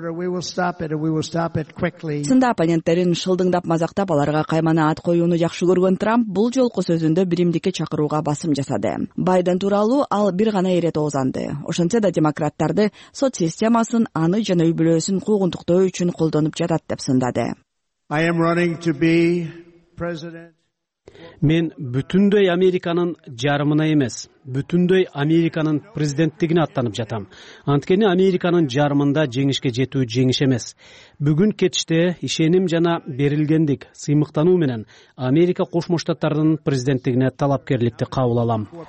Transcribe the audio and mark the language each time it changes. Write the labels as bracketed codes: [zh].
[ky] Сында оппоненттерин шылдыңдап мазактап, аларга каймана ат коюуну жакшы көргөн Трамп бул жолку сөзүндө биримдикке чакырууга басым жасады. Байден тууралуу ал бир гана ирет оозанды. Ошентсе да демократтарды сот системасын, аны жана үй бүлөсүн куугунтуктоо үчүн колдонуп жатат деп сындады. [en] I am running to be president. [ky] Мен бүтүндөй Американын жарымына эмес, бүтүндөй Американын президенттигине аттанып жатам. Анткени Американын жарымында жеңишке жетүү жеңиш эмес. Бүгүн кечте ишеним жана берилгендик сыймыктануу менен Америка Кошмо Штаттарынын президенттигине талапкерликти кабыл алам.